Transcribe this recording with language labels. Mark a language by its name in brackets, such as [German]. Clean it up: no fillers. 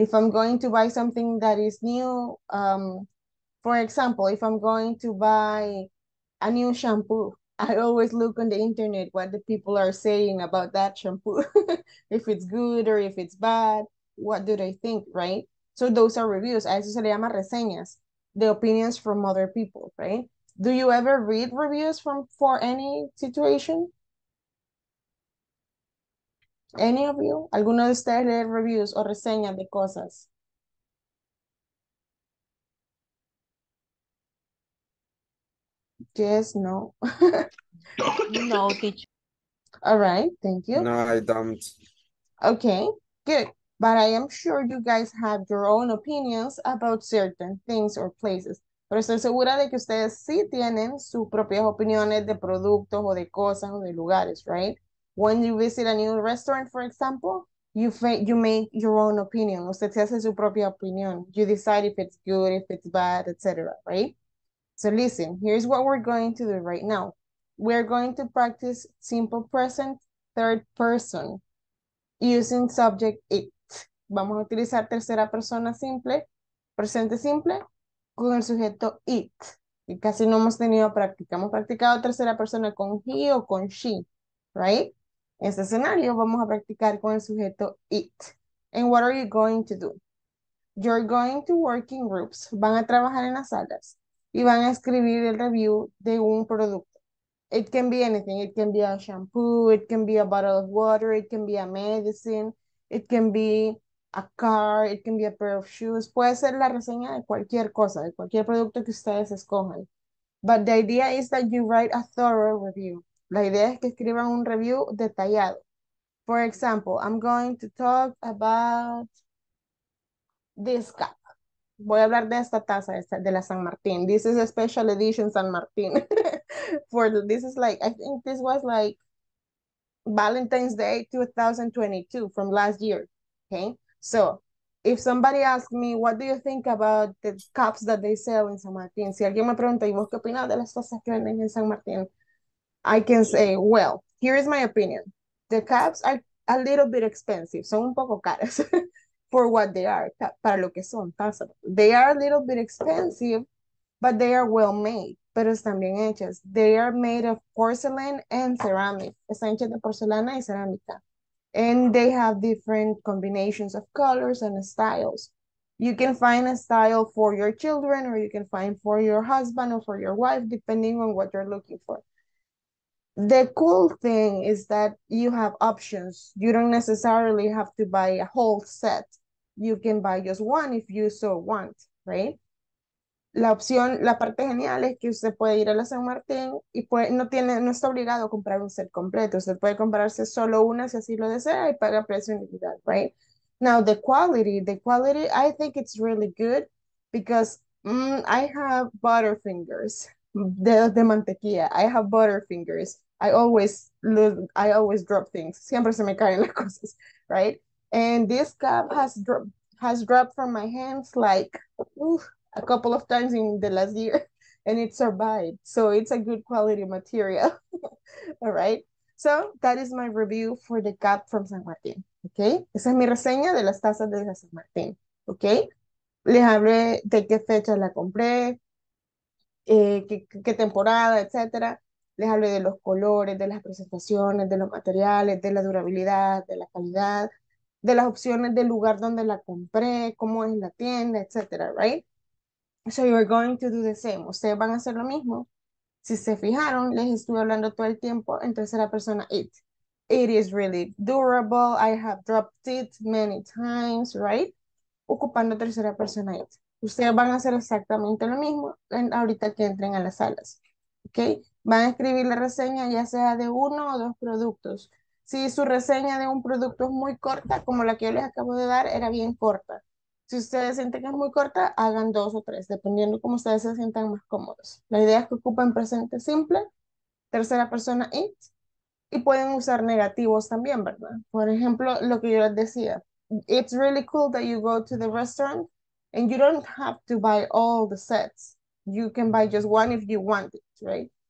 [English] If I'm going to buy something that is new, for example, if I'm going to buy a new shampoo, I always look on the internet what the people are saying about that shampoo, if it's good or if it's bad, what do they think, right? So those are reviews. [Spanish] A eso se le llama reseñas, [English] the opinions from other people, right? Do you ever read reviews from for any situation? Any of you? [Spanish] ¿Alguno de ustedes lee reviews o reseñas de cosas? [English] Yes, no. No, teacher. All right, thank you. No, I don't. Okay, good. But I am sure you guys have your own opinions about certain things or places. [Spanish] Pero estoy segura de que ustedes sí tienen sus propias opiniones de productos o de cosas o de lugares, right? [English] When you visit a new restaurant, for example, you make your own opinion. [Spanish] Usted se hace su propia opinión. [English] You decide if it's good, if it's bad, etc., right? So listen, here's what we're going to do right now. We're going to practice simple present third person using subject it. [Spanish] Vamos a utilizar tercera persona simple, presente simple, con el sujeto it. Y casi no hemos tenido práctica. Hemos practicado tercera persona con he o con she, right? En este escenario vamos a practicar con el sujeto it. [English] And what are you going to do? You're going to work in groups. [Spanish] Van a trabajar en las salas y van a escribir el review de un producto. [English] It can be anything. It can be a shampoo. It can be a bottle of water. It can be a medicine. It can be a car. It can be a pair of shoes. [Spanish] Puede ser la reseña de cualquier cosa, de cualquier producto que ustedes escojan. [English] But the idea is that you write a thorough review. [Spanish] La idea es que escriban un review detallado. [English] For example, I'm going to talk about this cup. [Spanish] Voy a hablar de esta taza de la San Martín. [English] This is a special edition San Martín. This is like, I think this was like Valentine's Day 2022 from last year. Okay. So if somebody asks me, what do you think about the cups that they sell in San Martín? [Spanish] Si alguien me pregunta, ¿y vos qué opinas de las tazas que venden en San Martín? [English] I can say, well, here is my opinion. The cups are a little bit expensive. [Spanish] Son un poco caras [English] for what they are, [Spanish] para lo que son, tazas. [English] They are a little bit expensive, but they are well made, [Spanish] pero están bien hechas. [English] They are made of porcelain and ceramic. [Spanish] Están hechas de porcelana y cerámica. [English] And they have different combinations of colors and styles. You can find a style for your children, or you can find for your husband or for your wife, depending on what you're looking for. The cool thing is that you have options. You don't necessarily have to buy a whole set. You can buy just one if you so want, right? [Spanish] La opción, la parte genial es que usted puede ir a la San Martín y puede, no está obligado a comprar un set completo. Usted puede comprarse solo una si así lo desea y paga precio individual, right? [English] Now, the quality, I think it's really good because I have Butterfingers, [Spanish] de mantequilla. [English] I have Butterfingers. I always drop things. [Spanish] Siempre se me caen las cosas, [English] right? And this cup has dropped from my hands like a couple of times in the last year, and it survived. So it's a good quality material. All right. So that is my review for the cup from San Martín. Okay. [Spanish] Esa es mi reseña de las tazas de la San Martín. Okay. Les hablé de qué fecha la compré, qué temporada, etc. Les hablé de los colores, de las presentaciones, de los materiales, de la durabilidad, de la calidad, de las opciones del lugar donde la compré, cómo es la tienda, etcétera, right? [English] So you are going to do the same. [Spanish] Ustedes van a hacer lo mismo. Si se fijaron, les estuve hablando todo el tiempo en tercera persona. [English] It is really durable. I have dropped it many times, right? [Spanish] Ocupando tercera persona. It. Ustedes van a hacer exactamente lo mismo en, ahorita que entren a las salas, ¿ok? Van a escribir la reseña ya sea de uno o dos productos. Si su reseña de un producto es muy corta, como la que yo les acabo de dar, era bien corta. Si ustedes sienten que es muy corta, hagan dos o tres, dependiendo cómo ustedes se sientan más cómodos. La idea es que ocupen presente simple, tercera persona it, y pueden usar negativos también, ¿verdad? Por ejemplo, lo que yo les decía, [English] it's really cool that you go to the restaurant and you don't have to buy all the sets. You can buy just one if you want it, right?